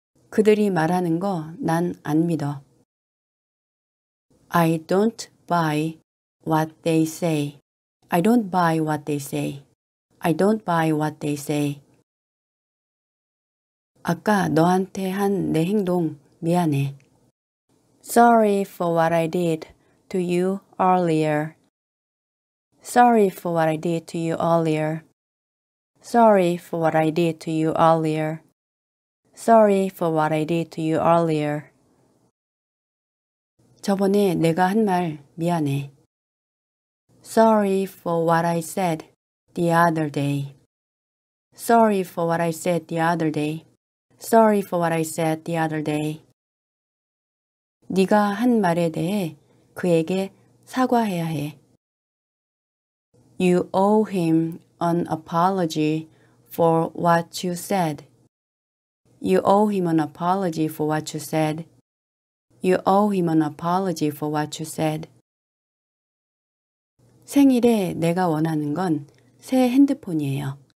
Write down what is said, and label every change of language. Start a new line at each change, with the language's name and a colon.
Korean: 그들이 말하는 거 난 안 믿어.
English: I don't buy what they say. I don't buy what they say. I don't buy what they say.
Korean: 아까 너한테 한 내 행동 미안해.
English: Sorry for what I did to you earlier. Sorry for what I did to you earlier. Sorry for what I did to you earlier. Sorry for what I did to you earlier.
Korean: 저번에 내가 한 말 미안해.
English: Sorry for what I said the other day. Sorry for what I said the other day. Sorry for what I said the other day.
Korean: 네가 한 말에 대해 그에게 사과해야 해.
English: You owe him an apology for what you said. You owe him an apology for what you said. You owe him an apology for what you said.
Korean: 생일에 내가 원하는 건 새 핸드폰이에요.